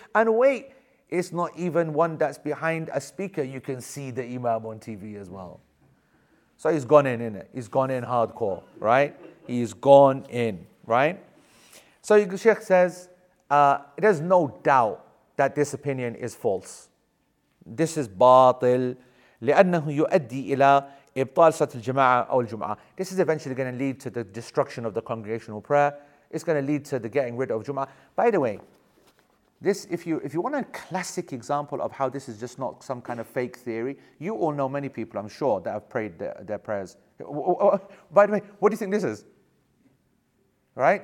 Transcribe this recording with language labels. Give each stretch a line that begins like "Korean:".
English: And wait, it's not even one that's behind a speaker. You can see the Imam on TV as well. So he's gone in, isn't it? He's gone in hardcore, right? He's gone in, right? So the Sheikh says, there's no doubt that this opinion is false. This is batil.
Arabic: لأنه يؤدي إلى إبطال صلاة الجماعة أو الجمعة.
English: This is eventually going to lead to the destruction of the congregational prayer. It's going to lead to the getting rid of Jum'ah. By the way, this, if you want a classic example of how this is just not some kind of fake theory, you all know many people, I'm sure, that have prayed their prayers. By the way, what do you think this is? Right?